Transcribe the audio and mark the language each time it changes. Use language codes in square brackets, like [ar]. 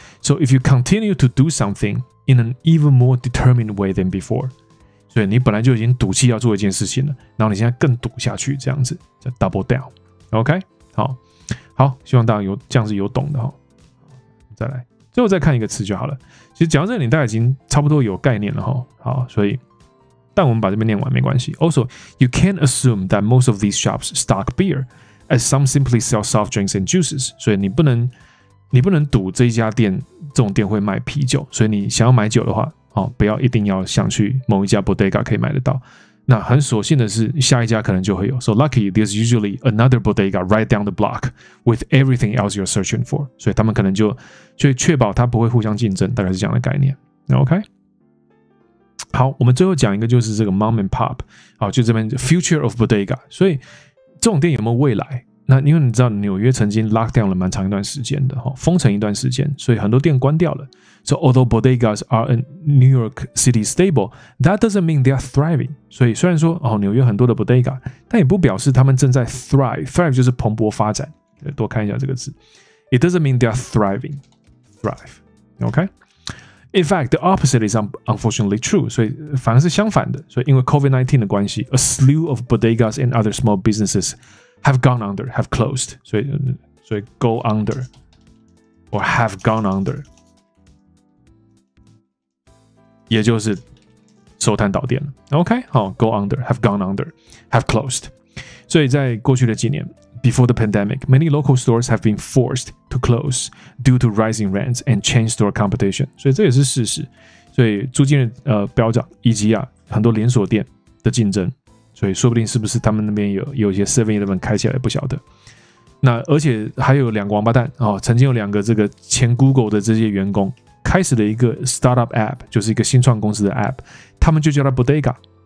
[en] So if you continue to do something in an even more determined way than before， [zh] 所以你本来就已经赌气要做一件事情了，然后你现在更赌下去，这样子叫 [en] double down。 [zh] OK， 好，希望大家有这样子有懂的、再来最后再看一个词就好了。其实讲到这里，大家已经差不多有概念了哈。好，所以，但我们把这边念完没关系。 [en] Also, you can't assume that most of these shops stock beer, as some simply sell soft drinks and juices. [zh] 所以你不能赌这一家店这种店会卖啤酒。所以你想要买酒的话，不要一定要想去某一家 bodega 可以买得到。那很所幸的是，下一家可能就会有。 [en] So lucky, there's usually another bodega right down the block with everything else you're searching for. [zh] 所以他们可能就确保它不会互相竞争，大概是这样的概念。 OK， 好，我们最后讲一个就是这个 [en] mom and pop， [zh] 好，就这边 [en] future of bodega。 [zh] 所以这种店有没有未来？那因为你知道纽约曾经 lock down 了蛮长一段时间的，封城一段时间，所以很多店关掉了。 [en] So although bodegas are a New York City stable, that doesn't mean they are thriving. [zh] 所以虽然说纽约很多的 bodega， 但也不表示他们正在 thrive。 thrive 就是蓬勃发展。多看一下这个字。 [en] It doesn't mean they are thriving. Thrive. Okay? In fact, the opposite is unfortunately true. [zh] 所以反而是相反的。所以因为 COVID-19 的关系 [en] ，a slew of bodegas and other small businesses have gone under, have closed. [zh] 所以 go under or have gone under， 也就是收摊倒店了。 [en] OK， 好 ，go under, have gone under, have closed. [zh] 所以在过去的几年。 [en] Before the pandemic, many local stores have been forced to close due to rising rents and chain store competition. [zh] 所以这也是事实。所以租金的飙涨以及很多连锁店的竞争，所以说不定是不是他们那边有一些 7-Eleven 开起来不晓得。那而且还有两个王八蛋曾经有两个这个前 Google 的这些员工开始了一个 startup app， 就是一个新创公司的 app， 他们就叫它 Bodega。